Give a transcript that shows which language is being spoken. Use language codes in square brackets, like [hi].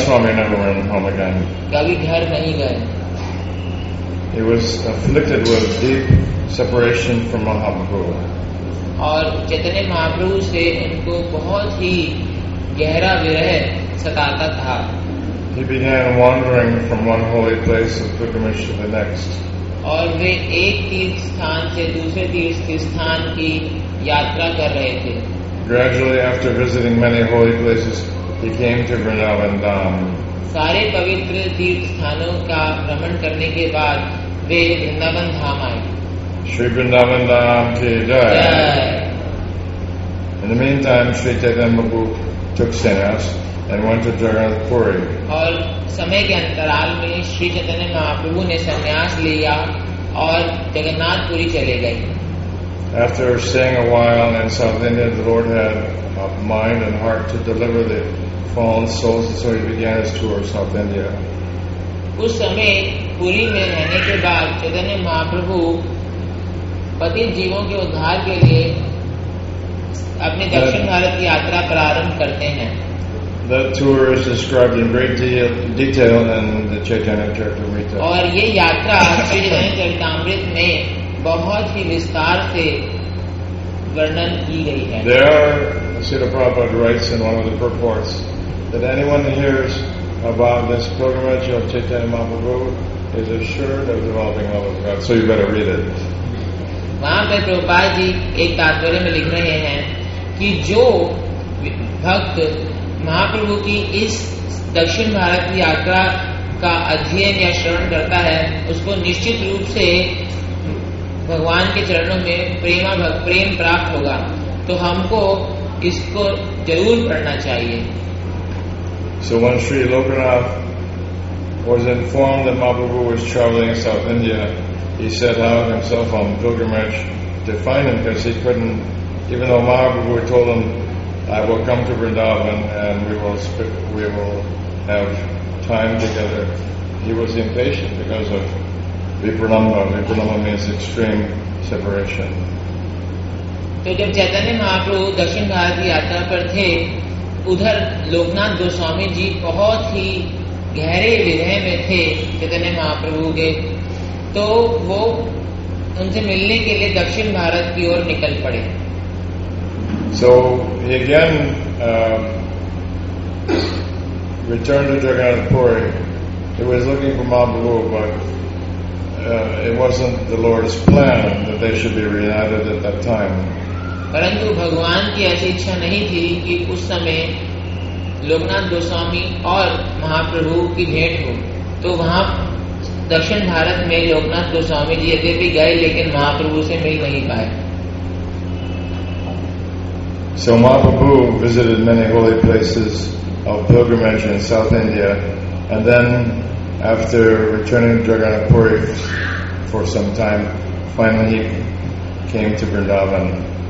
[en] Swami never went home again. [hi] कभी घर नहीं गए. [en] He was afflicted with deep separation from Mahaprabhu. [hi] और चैतन्य महाप्रभु से उनको बहुत ही गहरा विरह सताता था. [en] He began wandering from one holy place of pilgrimage to the next. [hi] और वे एक तीर्थ स्थान से दूसरे तीर्थ स्थान की यात्रा कर रहे थे. [en] Gradually, after visiting many holy places, he came to Vrindavan Dham. [hi] सारे पवित्र तीर्थ स्थानों का भ्रमण करने के बाद वे वृंदावन धाम आए. श्री वृंदावन धाम की जय. [en] In the meantime, Sri Chaitanya Mahaprabhu took sannyas and went to Jagannath Puri. [hi] और समय के अंतराल में श्री चैतन्य महाप्रभु ने संन्यास लिया और जगन्नाथ पुरी चले गए. [en] After staying a while in South India, the Lord had a mind and heart to deliver the fallen souls, so he began his tour of South India. [hi] उस समय पुरी में रहने के बाद चैतन्य महाप्रभु पतित जीवों के उद्धार के लिए अपने दक्षिण भारत की यात्रा प्रारंभ करते हैं. [en] The tour is described in great detail in the Chaitanya Charitamrita. [hi] और ये यात्रा चैतन्य चरितामृत में बहुत ही विस्तार से वर्णन की गई है. [en] There, Srila Prabhupada writes in one of the purports that anyone who hears about this pilgrimage of Chaitanya Mahaprabhu is assured of developing love of God. So you better read it. [hi] वहाँ पे प्रभुपाद जी एक तात्पर्य में लिख रहे हैं कि जो भक्त महाप्रभु की इस दक्षिण भारत की यात्रा का अध्ययन या श्रवण करता है, उसको निश्चित रूप से भगवान के चरणों में प्रेम प्रेम प्राप्त होगा, तो हमको इसको जरूर पढ़ना चाहिए। [en] So when Sri Lokanath was informed that Mahaprabhu was traveling South India, he set out himself on pilgrimage to find him because he couldn't, even though Mahaprabhu told him, I will come to Vrindavan and we will have time together. He was impatient because of Vipralamba. Vipralamba means extreme separation. [hi] तो जब चैतन्य महाप्रभु दक्षिण भारत की यात्रा पर थे, उधर लोकनाथ गोस्वामी जी बहुत ही गहरे विरह में थे चैतन्य महाप्रभु के, तो वो उनसे मिलने के लिए दक्षिण भारत की ओर निकल पड़े। [en] So he again returned to Jagannath Puri. He was looking for Mahaprabhu, but it wasn't the Lord's plan that they should be reunited at that time. [hi] परंतु भगवान की ऐसी इच्छा नहीं थी कि उस समय लोकनाथ गोस्वामी और महाप्रभु की भेंट हो, तो वहाँ दक्षिण भारत में लोकनाथ गोस्वामी जी यद्यपि गए लेकिन महाप्रभु से मिल नहीं पाए। [en] So Mahaprabhu visited many holy places of pilgrimage in South India, and then after returning to Jagannath Puri for some time, finally he came to Vrindavan.